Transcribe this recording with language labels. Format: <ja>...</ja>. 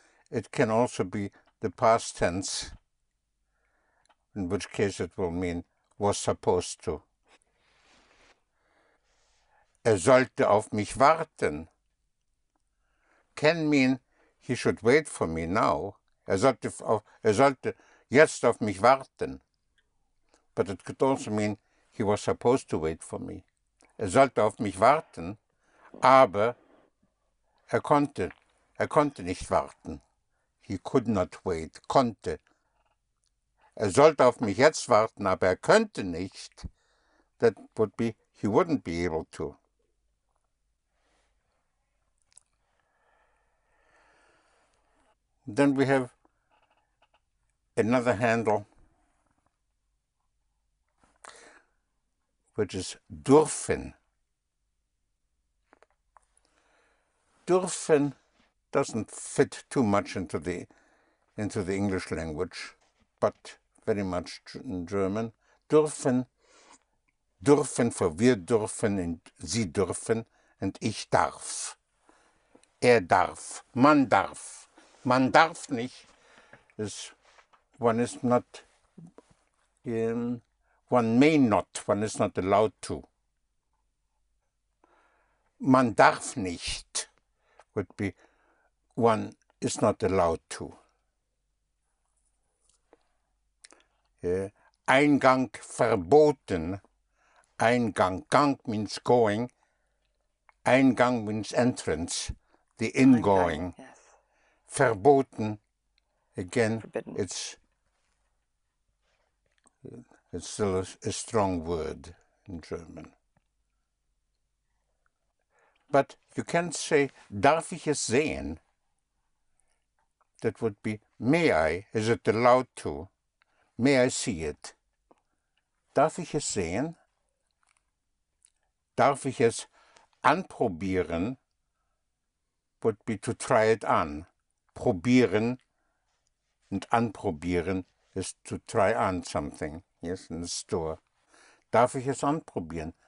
<en>It can also be the past tense, in which case it will mean was supposed to.</en> <de>Sollte auf mich warten.</de> <en>Can mean he should wait for me now.</en> <de>Sollte jetzt auf mich warten.</de> <en>But it could also mean he was supposed to wait for me.</en> <de>Sollte auf mich warten, aber konnte nicht warten.</de> <en>He could not wait,</en> <de>konnte. Sollte auf mich jetzt warten, aber könnte nicht.</de> <en>That would be, he wouldn't be able to. Then we have another handle, which is dürfen. Dürfen doesn't fit too much into the English language, but very much in German. Dürfen for wir dürfen and sie dürfen and ich darf.</en> <de>Darf. Man darf. Man darf nicht,</de> <en>one is not allowed to. Man darf nicht would be one is not allowed to.</en> <de>Yeah. Eingang verboten. Eingang.</de> <en>Gang means going. Eingang means entrance. The ingoing. Verboten, again, forbidden. It's still a strong word in German. But you can say,</en> <de>darf ich es sehen?</de> <en>That would be, may I, is it allowed to? May I see it?</en> <de>Darf ich es sehen? Darf ich es anprobieren?</de> <en>Would be to try it on. Probieren und anprobieren is to try on something. Yes, in the store.</en> <de>Darf ich es anprobieren?</de>